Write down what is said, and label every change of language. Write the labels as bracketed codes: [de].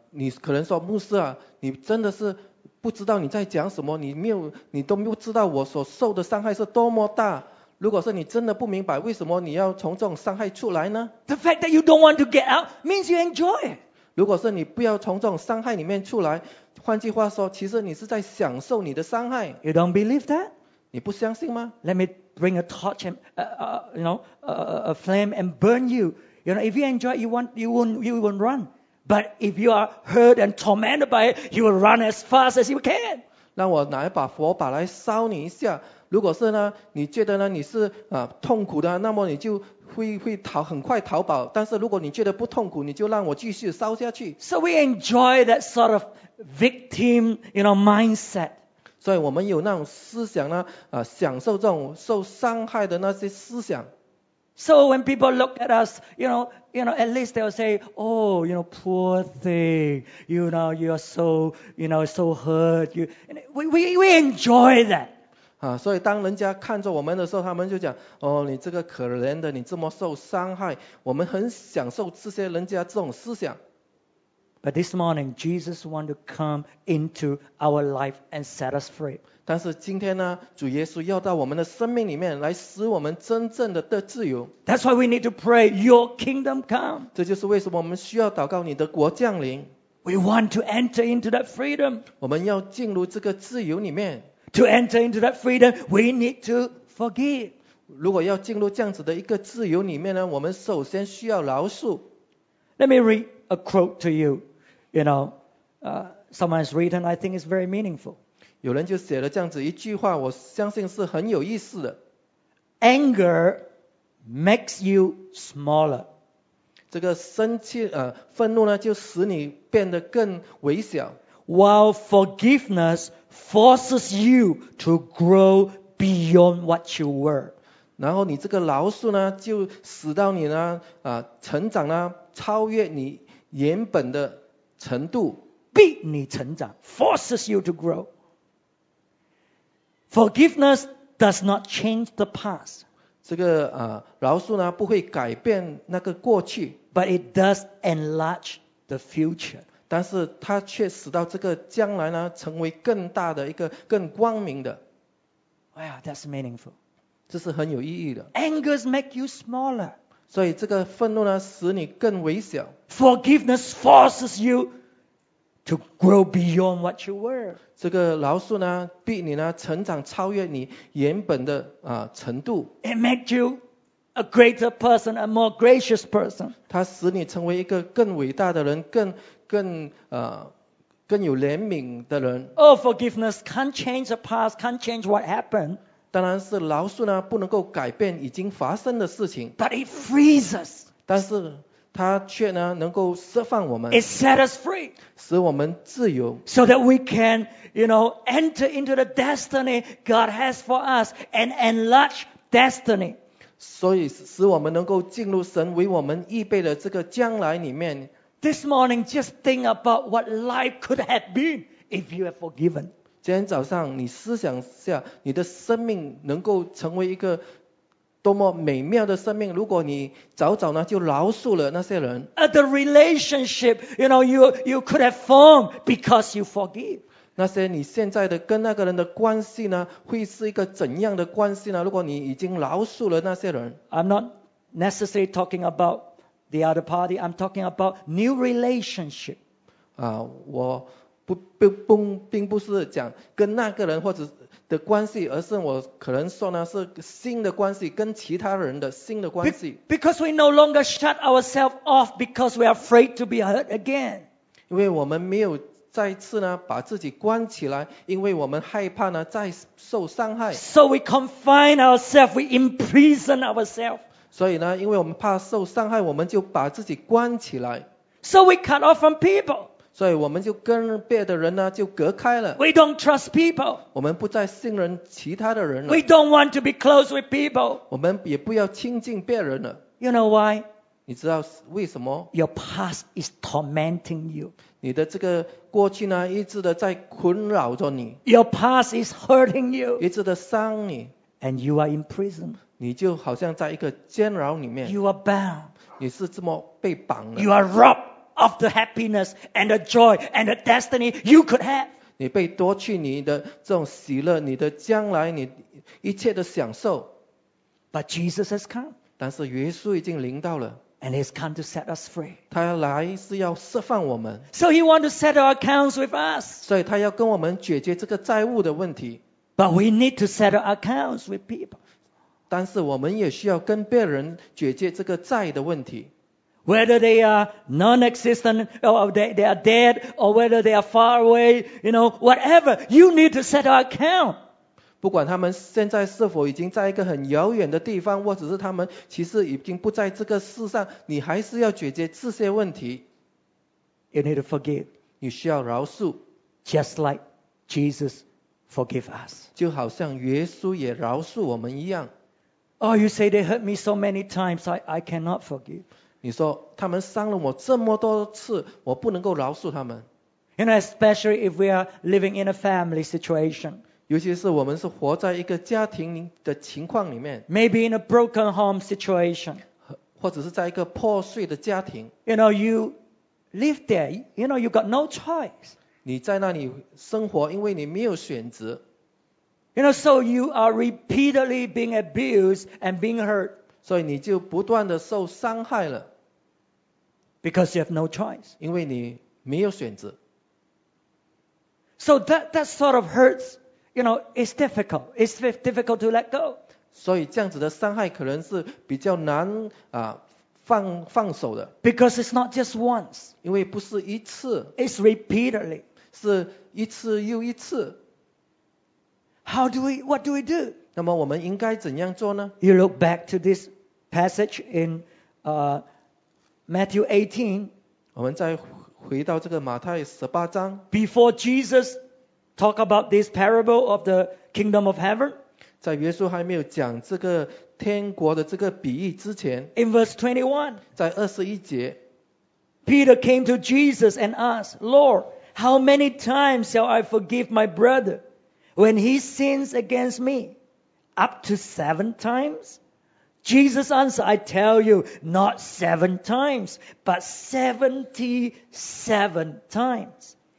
[zh] 你可能说牧师啊，你真的是不知道你在讲什么，你都不知道我所受的伤害是多么大。如果是你真的不明白为什么你要从这种伤害出来呢 [en] ？The fact that you don't want to get out means you enjoy it. [zh] 如果是你不要从这种伤害里面出来，换句话说，其实你是在享受你的伤害。 [en] You don't believe that? [zh] 你不相信吗？ [en] Let me bring a torch and a flame and burn you. You know, if you enjoy, you won't run. But if you are hurt and tormented by it, you will run as fast as you can. [zh] 让我拿一把火把来烧你一下。如果是呢，你觉得呢你是痛苦的，那么你就会逃，很快逃跑。但是如果你觉得不痛苦，你就让我继续烧下去。 [en] So we enjoy that sort of victim, mindset. [zh] 所以我们有那种思想呢，享受这种受伤害的那些思想。 [en] So when people look at us, you know, at least they'll say, oh, poor thing, you're so hurt. We enjoy that. [zh] 所以当人家看着我们的时候，他们就讲，哦，你这个可怜的，你这么受伤害，我们很享受这些人家这种思想。 [en] But this morning, Jesus wants to come into our life and set us free. [zh] 但是今天呢，主耶稣要到我们的生命里面来，使我们真正的得自由。 [en] That's why we need to pray, Your kingdom come. [zh] 这就是为什么我们需要祷告你的国降临。 [en] We want to enter into that freedom. [zh] 我们要进入这个自由里面。 [en] To enter into that freedom, we need to forgive. [zh] 如果要进入这样子的一个自由里面呢，我们首先需要饶恕。 [en] Let me read. A quote to you, someone's written, I think it's very meaningful. [zh] 有人就写了这样子一句话，我相信是很有意思的。 [en] Anger makes you smaller. [zh] 这个生气，愤怒呢，就使你变得更微小。 [en] While forgiveness forces you to grow beyond what you were. [zh] 然后你这个饶恕呢，就使到你呢，成长呢，超越你。原本的程度逼你成长 [en] forces you to grow. Forgiveness does not change the past. [zh] 这个饶恕呢不会改变那个过去 [en] but it does enlarge the future. [zh] 但是它却使到这个将来呢成为更大的一个更光明的 [en] Wow, that's meaningful. [zh] 这是很有意义的 [en] Angers make you smaller. [zh] 所以这个愤怒呢，使你更微小。 [en] Forgiveness forces you to grow beyond what you were. [zh] 这个饶恕呢，逼你呢成长，超越你原本的程度。 [en] It makes you a greater person, a more gracious person. [zh] 它使你成为一个更伟大的人，更有怜悯的人。 [en] Oh, forgiveness can't change the past, can't change what happened. [zh] 当然是饶恕呢，不能够改变已经发生的事情。 [en] But it frees us. [zh] 但是它却呢，能够释放我们。 [en] It sets us free. [zh] 使我们自由。 [en] So that we can, enter into the destiny God has for us and enlarge destiny. [zh] 所以使我们能够进入神为我们预备的这个将来里面。 [en] This morning, just think about what life could have been if you have forgiven. [zh] 今天早上你思想一下你的生命能够成为一个多么美妙的生命如果你早早呢就饶恕了那些人 [en] The relationship you could have formed because you forgive [zh] 那些你现在的跟那个人的关系呢会是一个怎样的关系呢如果你已经饶恕了那些人 [en] I'm not necessarily talking about the other party I'm talking about new relationship [zh] 我并不是讲跟那个人或者的关系，而是我可能说呢是新的关系，跟其他人的新的关系。 [en] Because we no longer shut ourselves off because we are afraid to be hurt again. [zh] 因为我们没有再次呢把自己关起来，因为我们害怕呢再受伤害。 [en] So we confine ourselves, we imprison ourselves. [zh] 所以呢，因为我们怕受伤害，我们就把自己关起来。 [en] So we cut off from people. [zh] 所以我们就跟别的人呢就隔开了。 [en] We don't trust people. [zh] 我们不再信任其他的人了。 [en] We don't want to be close with people. [zh] 我们也不要亲近别人了。 [en] You know why? [zh] 你知道为什么？ [en] Your past is tormenting you. [zh] 你的这个过去呢一直的在困扰着你。 [en] Your past is hurting you. [zh] 一直的伤你。 [en] And you are in prison. [zh] 你就好像在一个监牢里面。 [en] You are bound. [zh] 你是这么被绑的。 [en] You are robbed. Of the happiness and the joy and the destiny you could have. [zh] 你被夺去你的这种喜乐，你的将来，你一切的享受。 [en] But Jesus has come. [zh] 但是耶稣已经临到了。 [en] And he's come to set us free. [zh] 他来是要释放我们。 [en] So he wants to settle accounts with us. [zh] 所以他要跟我们解决这个债务的问题。 [en] But we need to settle accounts with people. [zh] 但是我们也需要跟别人解决这个债的问题。 [en] Whether they are non-existent or they are dead or whether they are far away, you know, whatever, you need to settle account. [zh] 不管他们现在是否已经在一个很遥远的地方，或者是他们其实已经不在这个世上，你还是要解决这些问题。 [en] You need to forgive. [zh] 你需要饶恕。 [en] Just like Jesus forgave us. [zh] 就好像耶稣也饶恕我们一样。 [en] Oh, you say they hurt me so many times, I cannot forgive. [zh] 你说他们伤了我这么多次，我不能够饶恕他们。 [en] You know, especially if we are living in a family situation. [zh] 尤其是我们是活在一个家庭的情况里面。 [en] Maybe in a broken home situation. [zh] 或者是在一个破碎的家庭。 [en] You know, you live there. You know, you got no choice. [zh] 你在那里生活，因为你没有选择。 [en] You know, so you are repeatedly being abused and being hurt. [zh] 所以你就不断地受伤害了。 [en] Because you have no choice. [zh] 因为你没有选择。 [en] So that sort of hurts, you know, it's difficult. It's difficult to let go. [zh] 所以这样子的伤害可能是比较难放手的。 [en] Because it's not just once. [zh] 因为不是一次。 [en] It's repeatedly. [zh] 是一次又一次。 [en] How do we? What do we do? [zh] 那么我们应该怎样做呢？ [en] You look back to this passage in Matthew 18. [zh] 我们再回到这个马太十八章。 [en] Before Jesus talk about this parable of the kingdom of heaven. [zh] 在耶稣还没有讲这个天国的这个比喻之前。 [en] In verse 21. [zh] 在二十一节。 [en] Peter came to Jesus and asked, Lord, how many times shall I forgive my brother? When he sins against me, up to seven times? Jesus answered, I tell you, not seven times, but 77 times.